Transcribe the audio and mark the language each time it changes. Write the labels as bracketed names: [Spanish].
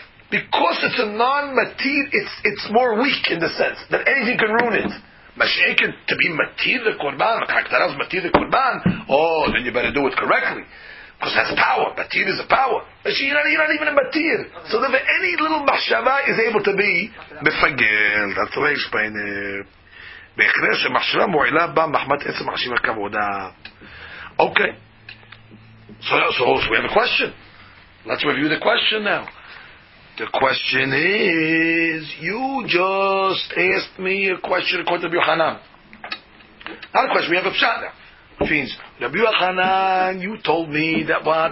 [English] Because it's a non-matir, it's more weak in the sense that anything can ruin it. Mashaken to be matir the korban, haktaraz matir the korban. Oh, then you better do it correctly, because that's power. Matir is a power. You're not even a matir. So that any little mashava is able to be mefagel. That's the way I explain it. [Hebrew] בהכרה שמחשבה מועילה בה מחמת עצם מחשיב הכבודה. [English] Okay. So we have a question. Let's review the question now. The question is, you just asked me a question according to Rabbi Yochanan. Not a question, we have a pshat now. Which means, Rabbi Yochanan, you told me that what?